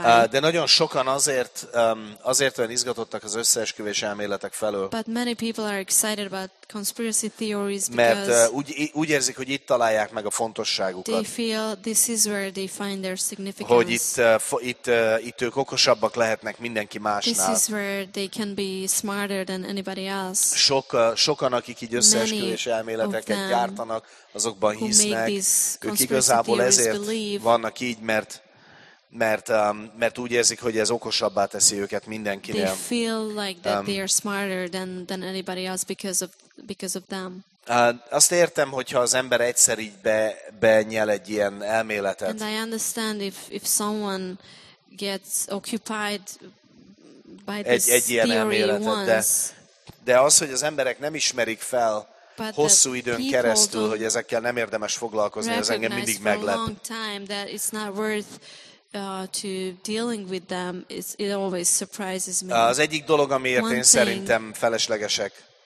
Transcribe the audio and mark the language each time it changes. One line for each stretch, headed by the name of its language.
Hungarian: De nagyon sokan azért olyan izgatottak az összeesküvés elméletek felől.
English: But many people are excited about conspiracy theories because
Hungarian: mert úgy érzik, hogy itt találják meg a fontosságukat.
English: They feel this is where they find their significance.
Hungarian: Hogy itt ők okosabbak lehetnek mindenki másnál.
English: This is where they can be smarter than anybody else.
Hungarian: Sokan, akik így összeesküvés elméleteket gyártanak, azokban hisznek, ők igazából ezért vannak így, mert úgy érzik, hogy ez okosabbá teszi őket mindenkinél.
English: They feel like that they are smarter than anybody else because of them.
Hungarian: Azt értem, hogyha az ember egyszer így benyel egy ilyen elméletet.
English: And I understand if someone gets occupied by this
Hungarian: egy ilyen elméletet,
English: once,
Hungarian: de az, hogy az emberek nem ismerik fel
English: but
Hungarian: hosszú időn keresztül, hogy ezekkel nem érdemes foglalkozni, ez engem mindig meglep.
English: For a long time that it's not worth to dealing with them, it always surprises me.
Hungarian: Az egyik dolog, amiért én szerintem feleslegesek,